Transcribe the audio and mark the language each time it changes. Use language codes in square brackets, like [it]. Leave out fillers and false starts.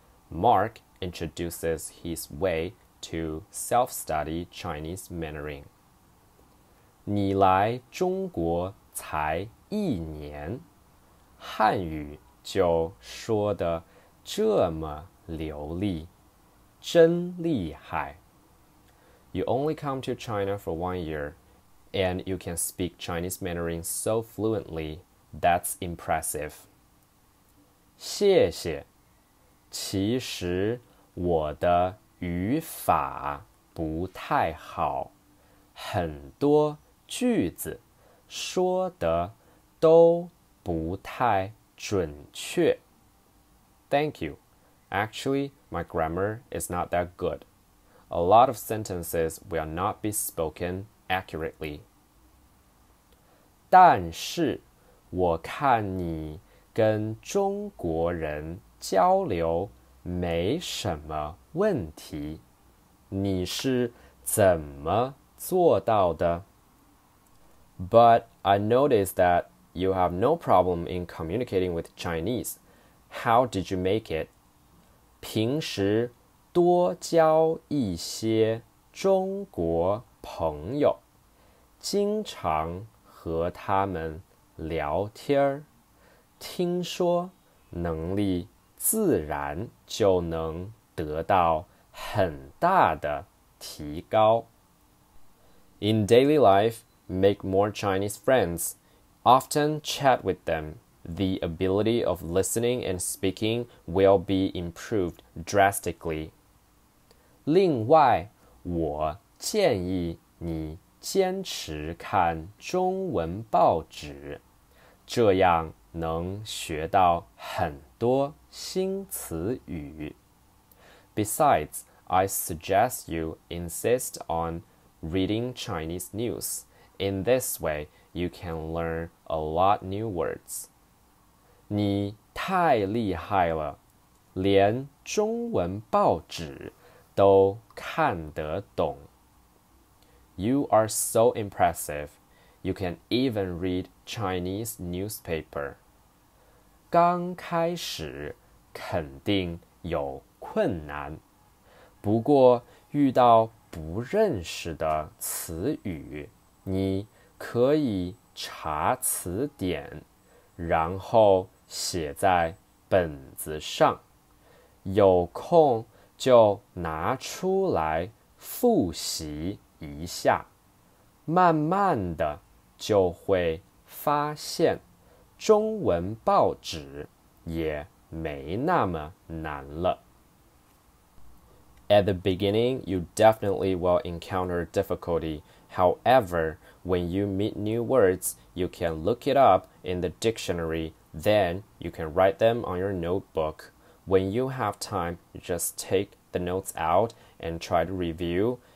[en] Mark introduces his way to self-study Chinese Mandarin. [zh] 你来中国才一年，汉语就说得这么流利，真厉害。 [en] You only come to China for 1 year, and you can speak Chinese Mandarin so fluently. That's impressive. [zh] 谢谢。其实我的语法不太好，很多句子说的都不太准确。 [en] Thank you. Actually, my grammar is not that good. A lot of sentences will not be spoken accurately. [zh] 但是我看你跟中国人交流没什么问题，你是怎么做到的？ [en] But I noticed that you have no problem in communicating with Chinese. How did you make it? [zh] 平时多交一些中国朋友，经常和他们聊天，听说能力自然就能得到很大的提高。 [en] In daily life, make more Chinese friends. Often chat with them. The ability of listening and speaking will be improved drastically. [zh] 另外，我建议你坚持看中文报纸，这样能学到很多新词语。 [en] Besides, I suggest you insist on reading Chinese news. In this way, you can learn a lot new words. [zh] 你太厉害了，连中文报纸都看得懂。 [en] You are so impressive. You can even read Chinese newspaper. [zh] 刚开始肯定有困难，不过遇到不认识的词语，你可以查词典，然后写在本子上，有空就拿出来复习一下，慢慢的就会发现中文报纸也没那么难了。 [en] At the beginning, you definitely will encounter difficulty. However, when you meet new words, you can look it up in the dictionary. Then you can write them on your notebook. When you have time, just take the notes out and try to review.